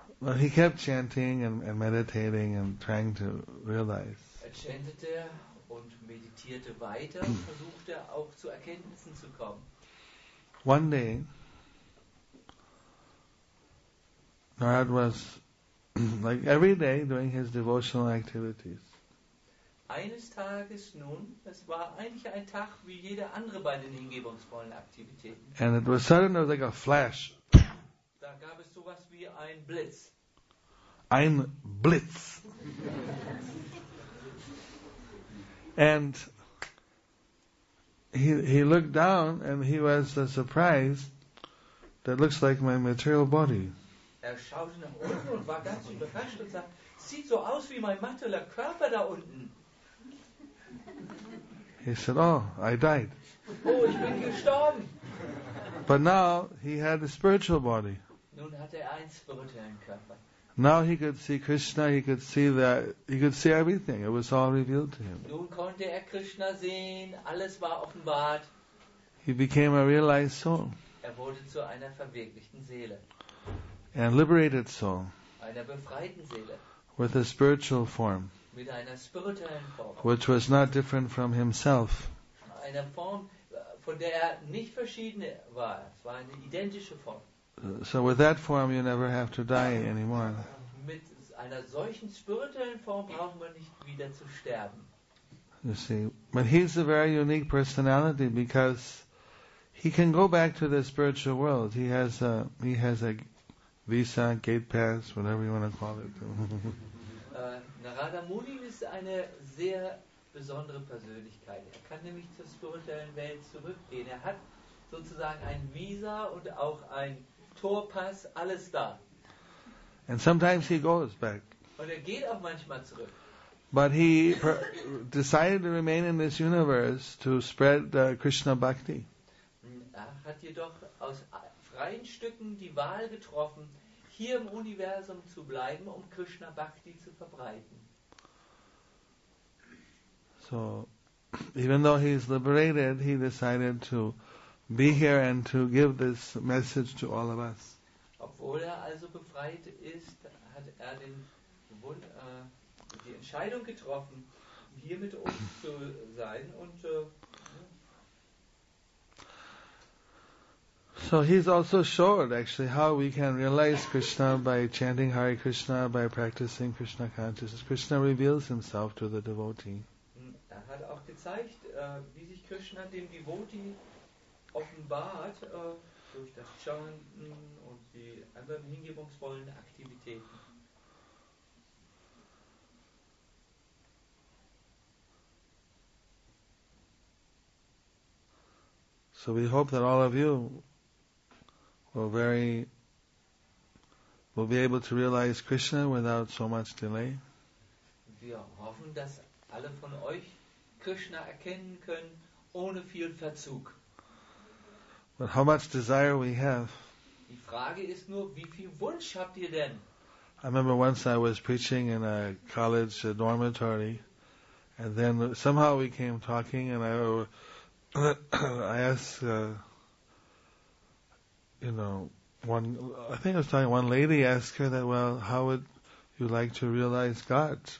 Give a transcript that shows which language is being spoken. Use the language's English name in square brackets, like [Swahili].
[English] Well, he kept chanting and meditating and trying to realize. [German] Er chantete und meditierte weiter und versuchte auch zu Erkenntnissen zu kommen. [English] One day, Narada was like every day doing his devotional activities. [German] Eines Tages nun, es war eigentlich ein Tag wie jeder andere bei den hingebungsvollen Aktivitäten. [English] And it was sudden, it was like a flash. [German] Da gab es sowas wie ein Blitz. Ein Blitz. [English] And he looked down and he was surprised that looks like my material body. [German] Er schaute nach unten und war ganz überrascht und sagte, sieht so aus wie mein materieller Körper da unten. [English] He said, oh, I died. [German] Oh, ich bin gestorben. [English] But now he had a spiritual body. [German] Nun hatte er einen spirituellen Körper. [English] Now he could see Krishna, he could see that, he could see everything. It was all revealed to him. [German] Nun konnte er Krishna sehen, alles war offenbart. [English] He became a realized soul. [German] Er wurde zu einer verwirklichten Seele. [English] And liberated soul. [German] Einer befreiten Seele. [English] With a spiritual form. [German] Mit einer spirituellen Form. [English] Which was not different from himself. [German] Eine Form, von der er nicht verschieden war. Es war eine identische Form. [English] So with that form you never have to die anymore. [German] Mit einer solchen spirituellen Form braucht man nicht wieder zu sterben. [English] You see, but he's a very unique personality because he can go back to the spiritual world. He has a visa, gate pass, whatever you want to call it. [German] Narada Muni ist eine sehr besondere Persönlichkeit. Er kann nämlich zur spirituellen Welt zurückgehen. Er hat sozusagen ein Visa und auch ein Torpass, alles da. [English] And sometimes he goes back. [German] Und er geht auch manchmal zurück. [English] But he decided to remain in this universe to spread Krishna Bhakti. [German] Er hat jedoch aus freien Stücken die Wahl getroffen, hier im Universum zu bleiben, um Krishna Bhakti zu verbreiten. [English] So, even though he is liberated, he decided to be here and to give this message to all of us. [German] Obwohl er also befreit ist, hat er den Wunsch, die Entscheidung getroffen, hier mit uns zu sein. Und [English] so he's also showed actually how we can realize Krishna by chanting Hare Krishna, by practicing Krishna consciousness. Krishna reveals himself to the devotee. [German] Er hat auch gezeigt, wie sich Krishna dem Devotee offenbart durch das Chanten und die anderen hingebungsvollen Aktivitäten. [English] So we hope that all of you will be able to realize Krishna without so much delay. [German] Wir hoffen, dass alle von euch Krishna erkennen können ohne viel Verzug. [English] But how much desire we have. [German] Die Frage ist nur, wie viel Wunsch habt ihr denn? [English] I remember once I was preaching in a college dormitory, and then somehow we came talking, and one lady asked her that, well, how would you like to realize God?